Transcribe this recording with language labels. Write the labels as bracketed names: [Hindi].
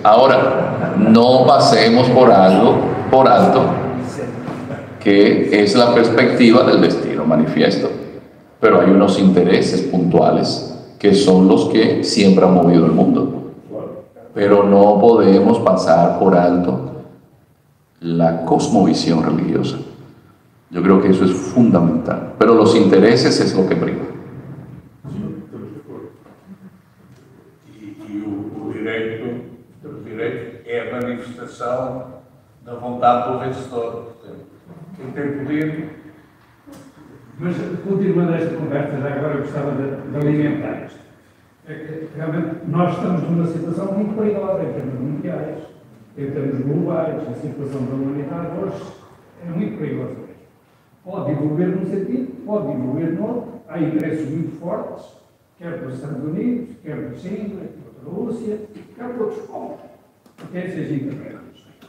[Portuguese] Agora, não passemos por alto, que é a perspectiva do destino manifesto. Mas há uns interesses puntuales que são os que sempre han movido o mundo. Mas não podemos passar por alto [Spanish] la cosmovisión religiosa. Yo creo que eso es fundamental. Pero los intereses es lo que prima. Sí, y el derecho es la manifestación de la voluntad del vencedor. Quien tiene poder. [Portuguese] Mas, continuando esta conversa, [Spanish] ya ahora gustaba de alimentar esto. [Portuguese] Realmente, nós estamos numa situação muito perigosa em termos mundiais. Em termos globais, a situação da humanidade hoje é muito perigosa. Pode evoluir num sentido, pode evoluir no outro. Há interesses muito fortes, quer dos Estados Unidos, quer da China, quer da Rússia, quer de outros povos, quer seja interessantes.